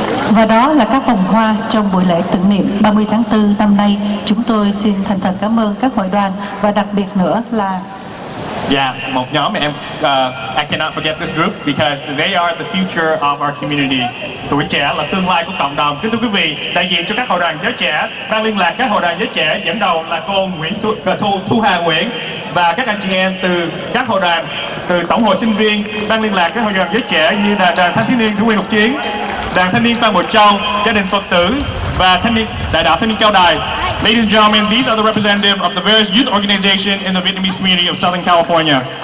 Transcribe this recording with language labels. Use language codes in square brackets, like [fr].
[vi] Và Và đó là các vòng hoa trong buổi lễ tưởng niệm 30 tháng 4 năm nay. Chúng tôi xin thành thật cảm ơn các hội đoàn và đặc biệt nữa là... một nhóm em, [en] I cannot forget this group because they are the future of our community. [vi] Tuổi trẻ là tương lai của cộng đồng. Kính thưa quý vị, đại diện cho các hội đoàn giới trẻ, ban liên lạc các hội đoàn giới trẻ dẫn đầu là cô Nguyễn Thu Hà Nguyễn và các anh chị em từ các hội đoàn, từ tổng hội sinh viên, ban liên lạc các hội đoàn giới trẻ như là đoàn thanh thiếu niên Thủy Nguyên Học Chiến, đoàn thanh niên Phan Bội Châu, gia đình Phật tử và thanh niên đại đạo thanh niên Cao Đài. [en] Ladies and gentlemen, these are the representatives of the various youth organizations in the Vietnamese community of Southern California.